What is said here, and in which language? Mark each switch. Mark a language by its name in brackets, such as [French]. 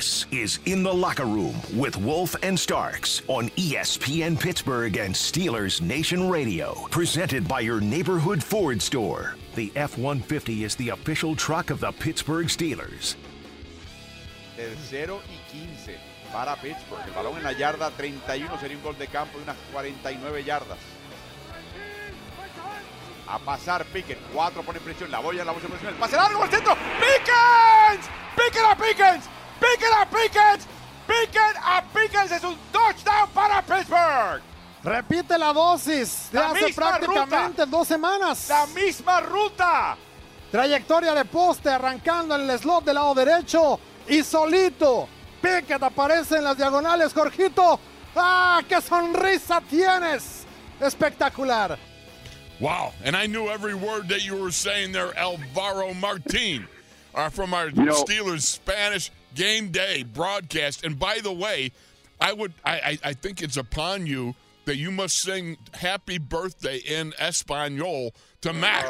[English] Is In the Locker Room with Wolf and Starks on ESPN Pittsburgh and Steelers Nation Radio, presented by your neighborhood Ford store. The F-150 is the official truck of the Pittsburgh Steelers. [Spanish] Tercero y 15 para Pittsburgh. El balón en la yarda 31 sería un gol de campo de unas 49 yardas. A pasar Pickens. Cuatro pone presión. La boya, la boya presión. El pase largo al centro. ¡Pickens! ¡Pickens a Pickens! Pickett a Pickens, Pickett a Pickens, es un touchdown para Pittsburgh. Repite la dosis de la hace prácticamente ruta. 2 semanas. La misma ruta. Trayectoria de poste arrancando en el slot del lado derecho y solito Pickett aparece en las diagonales, Jorgito. ¡Ah, qué sonrisa tienes! Espectacular. [English] Wow, and I knew every word that you were saying there, Alvaro Martín, from our Steelers Spanish game day broadcast. And by the way, I think it's upon you that you must sing happy birthday in Espanol to Max.